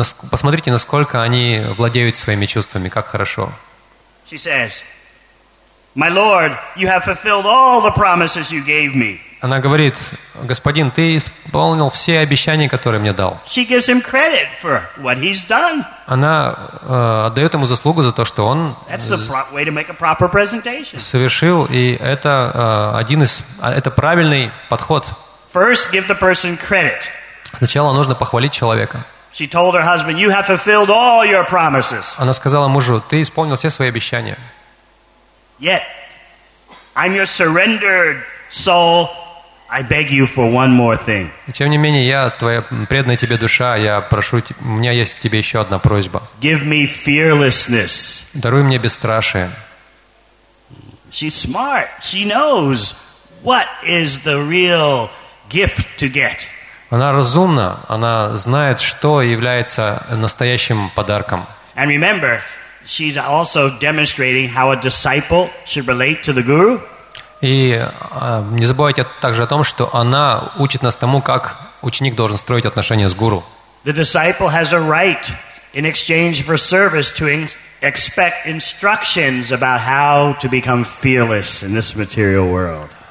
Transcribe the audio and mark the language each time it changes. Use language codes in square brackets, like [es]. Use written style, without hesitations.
[ru] Посмотрите, насколько они владеют своими чувствами, как хорошо. [en] She says, "My Lord, you have fulfilled all the promises you gave me." [ru] Она говорит: Господин, ты исполнил все обещания, которые мне дал. [en] She gives him credit for what he's done. [ru] Она отдает ему заслугу за то, что он [en] way to make a proper presentation. [ru] Совершил, и это это правильный подход. [en] First, give the person credit. [ru] Сначала нужно похвалить человека. [en] She told her husband, "You have fulfilled all your promises." [ru] Она сказала мужу: ты исполнил все свои обещания. [en] Yet, I'm your surrendered soul. I beg you for one more thing. [ru] Тем не менее, я твоя преданная тебе душа. Я прошу, у меня есть к тебе еще одна просьба. [en] Give me fearlessness. [ru] Даруй мне бесстрашие. [en] She's smart. She knows what is the real gift to get. [ru] Она разумна. Она знает, что является настоящим подарком. [en] And remember, she's also demonstrating how a disciple should relate to the guru. [ru] И не забывайте также о том, что она учит нас тому, как ученик должен строить отношения с гуру. [en] The disciple has a right in exchange for service to expect instructions about how to become fearless in this material world.